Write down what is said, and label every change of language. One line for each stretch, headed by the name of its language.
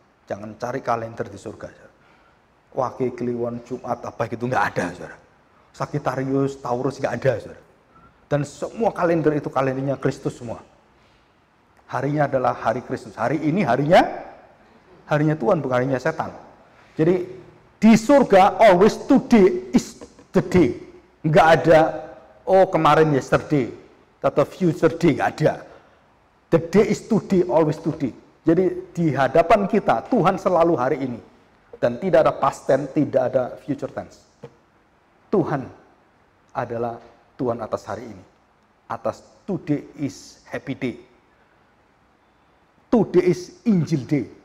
Indonesian: Jangan cari kalender di surga. Wage, Kliwon, Jumat, apa gitu, enggak ada, saudara. Sagittarius, Taurus, enggak ada, saudara. Dan semua kalender itu kalendernya Kristus semua. Harinya adalah hari Kristus. Hari ini harinya, harinya Tuhan, bukan harinya setan. Jadi di surga,
English: always today is the day.
Indonesian: Enggak ada, oh kemarin
English: yesterday,
Indonesian: atau
English: future day,
Indonesian: enggak ada.
English: The day is today, always today.
Indonesian: Jadi di hadapan kita, Tuhan selalu hari ini. Dan tidak ada past tense, tidak ada future tense. Tuhan adalah Tuhan atas hari ini.
English: Atas today is happy day. Today is Injil day.